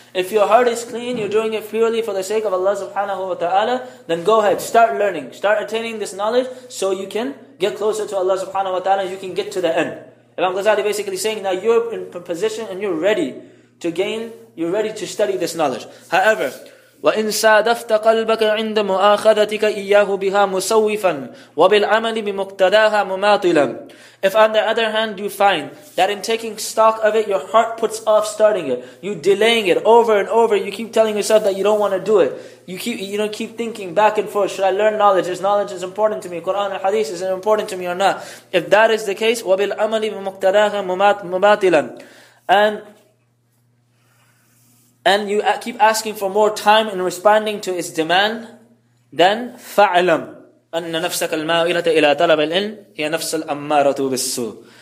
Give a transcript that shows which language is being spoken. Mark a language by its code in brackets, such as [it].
[en] If your heart is clean, you're doing it purely for the sake of Allah subhanahu wa ta'ala, then go ahead, start learning, start attaining this knowledge so you can get closer to Allah subhanahu wa ta'ala, you can get to the end. Imam Ghazali basically saying that you're in position and you're ready to study this knowledge. [ar] However, وَإِنْ سَادَفْتَ قَلْبَكَ عِنْدَ مُؤَاخَذَتِكَ إِيَّاهُ بِهَا مُسَوِّفًا وَبِالْعَمَلِ بِمُقْتَدَاهَا مُمَاطِلًا. [en] If on the other hand you find that in taking stock of it, your heart puts off starting it, you delaying it over and over, you keep telling yourself that you don't want to do it, you keep thinking back and forth, should I learn knowledge? Is knowledge is important to me? Quran and Hadith, is it important to me or not? If that is the case, [ar] وَبِالْعَمَلِ بِمُقْتَدَاهَا مُمَاطِلًا, [en] and you keep asking for more time in responding to its demand, then [ar] فَعْلَمْ أَنَّ نَفْسَكَ الْمَائِلَةَ إِلَىٰ طَلَبَ الْإِلْمِ هِيَ نَفْسَ الْأَمَّارَةُ بِالسُّوءِ.